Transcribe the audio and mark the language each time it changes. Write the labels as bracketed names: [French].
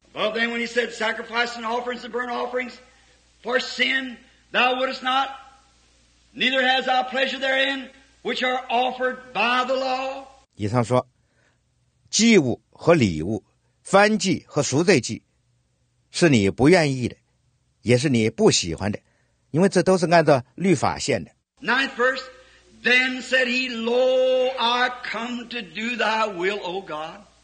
[English] Well, then when he said sacrifice and offerings and burnt offerings for sin, thou wouldest not, neither has thou pleasure therein, which are offered by the law. [Chinese] 以上说，祭物和礼物，燔祭和赎罪祭，是你不愿意的，也是你不喜欢的，因为这都是按照律法献的。 [English] Ninth verse, then said he, Lo, I come to do thy will, O God.